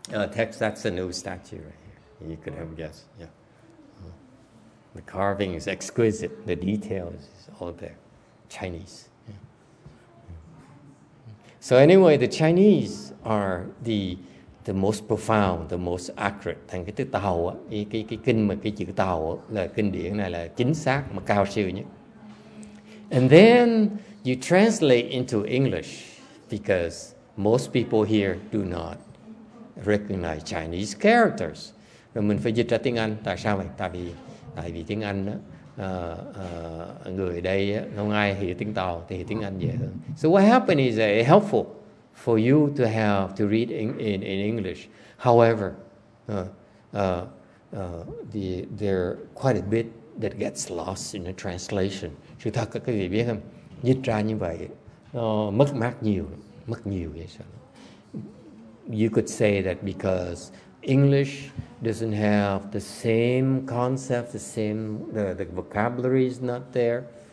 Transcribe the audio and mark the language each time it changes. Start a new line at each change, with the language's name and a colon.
English: Text, that's a new statue right here. You could have guessed, yeah. The carving is exquisite. The details is all there. Chinese. So anyway, the Chinese are the most profound, the most accurate.
Vietnamese: Thành cái chữ Tàu á, cái kinh mà cái chữ Tàu á, là kinh điển này là chính xác mà cao siêu nhất.
English: And then you translate into English because most people here do not recognize Chinese characters.
Vietnamese: Rồi mình phải dịch ra tiếng Anh. Tại sao vậy? Tại vì tiếng Anh á, người đây á, không ai hiểu tiếng Tàu thì hiểu tiếng Anh dễ hơn.
English: So what happened is that it's helpful for you to have to read in English. However, there are quite a bit that gets lost in the translation.
Vietnamese: Sự thật các quý vị biết không? Dịch ra như vậy nó mất mát nhiều vậy sao?
English: You could say that because English doesn't have the same concept, the same the vocabulary is not there.